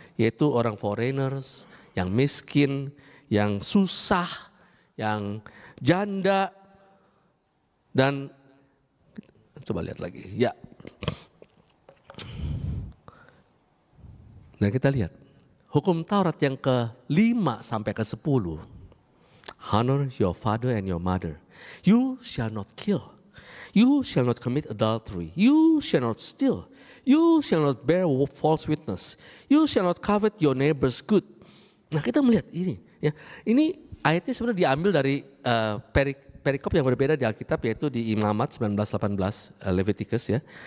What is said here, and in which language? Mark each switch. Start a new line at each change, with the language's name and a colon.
Indonesian: Yaitu orang foreigners, yang miskin, yang susah, yang janda dan coba lihat lagi ya. Nah kita lihat hukum Taurat yang ke-5 sampai ke-10.
English: Honor your father and your mother. You shall not kill. You shall not commit adultery. You shall not steal. You shall not bear false witness. You shall not covet your neighbor's good.
Indonesian: Nah, kita melihat ini. Ya. Ini ayatnya sebenarnya diambil dari perikop yang berbeda di Alkitab, yaitu di Imamat 19:18 Leviticus, ya.